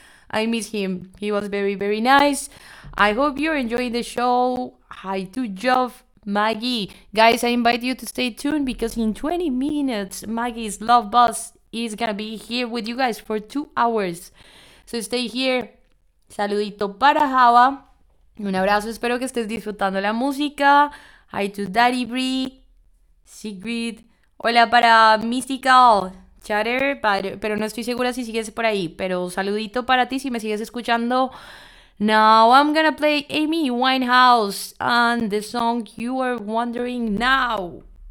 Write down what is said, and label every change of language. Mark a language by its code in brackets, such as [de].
[en] I miss him. He was very, very nice. I hope you're enjoying the show. Hi to Jeff, Maggie. Guys, I invite you to stay tuned because in 20 minutes, Maggie's Love Boss is gonna be here with you guys for 2 hours. So stay here. [es] Saludito para Java. Un abrazo, espero que estés disfrutando la música. [en] Hi to Daddy Bree, Sigrid. [es] Hola para Mystical Chatter, padre. Pero no estoy segura si sigues por ahí. Pero saludito para ti si me sigues escuchando. [en] Now I'm gonna play Amy Winehouse and the song You Are Wondering Now.